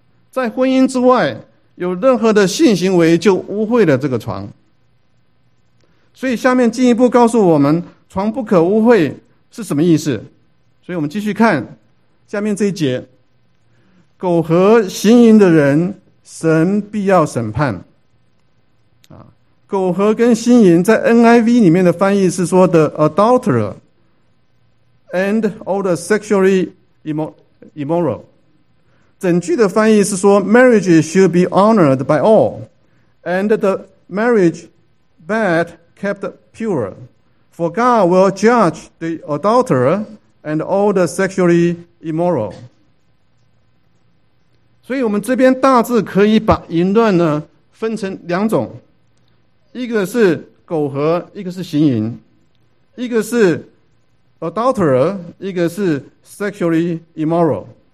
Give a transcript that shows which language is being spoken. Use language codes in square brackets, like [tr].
[zh] 在婚姻之外，有任何的性行为就污秽了这个床。所以下面进一步告诉我们床不可污秽是什么意思。所以我们继续看下面这一节，苟合行淫的人神必要审判。苟合跟行淫在 NIV 里面的翻译是说 [en] the adulterer and all the sexually immoral。 [zh] 整句的翻译是说 [en] marriage should be honored by all and the marriage bed kept pure, for God will judge the adulterer and all the sexually immoral。 [zh] 所以我们这边大致可以把淫乱呢分成两种，一个是苟合，一个是行淫，一个是 adulterer， 一个是 [en] sexually immoral。